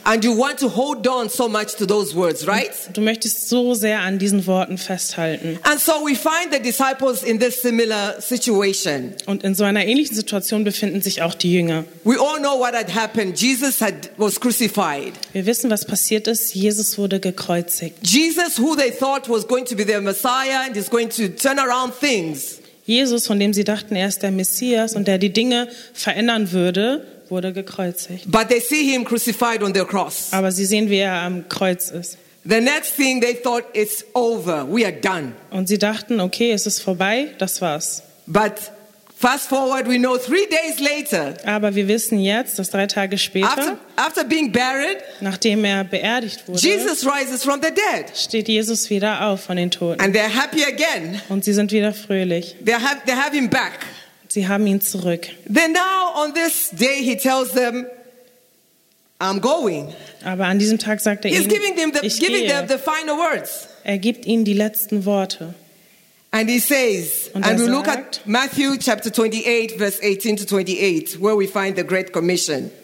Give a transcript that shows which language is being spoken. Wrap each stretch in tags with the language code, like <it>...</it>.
<en>And you want to hold on so much to those words, right?</en> <de>Du möchtest so sehr an diesen Worten festhalten.</de> <en>And so we find the disciples in this similar situation.</en> <de>Und in so einer ähnlichen Situation befinden sich auch die Jünger.</de> <en>We all know what had happened. Jesus was crucified.</en> <de>Wir wissen, was passiert ist. Jesus wurde gekreuzigt.</de> <en>Jesus, who they thought was going to be their Messiah and is going to turn around things.</en> <de>Jesus, von dem sie dachten, er ist der Messias und der die Dinge verändern würde, wurde gekreuzigt.</de> <en>But they see him crucified on the cross.</en> <de>Aber sie sehen, wie er am Kreuz ist.</de> <en>The next thing they thought, it's over. We are done.</en> <de>Und sie dachten, okay, es ist vorbei, das war's.</de> <en>But fast forward, we know 3 days later.</en> <de>Aber wir wissen jetzt, dass 3 Tage später,</de> <en>after being buried,</en> <de>nachdem er beerdigt wurde,</de> <en>Jesus rises from the dead.</en> <de>Steht Jesus wieder auf von den Toten.</de> <en>And they're happy again.</en> <de>Und sie sind wieder fröhlich.</de> <en>They have him back.</en> <de>Sie haben ihn zurück.</de> <en>Then now on this day he tells them, I'm going.</en> <de>Aber an diesem Tag sagt er</de> <en>he's</en> <de>ihnen,</de> <en>giving them the final words.</en> <de>Er gibt ihnen die letzten Worte.</de> <en>And he says, and we look at Matthew chapter 28, verse 18 to 28, where we find the Great Commission.</en>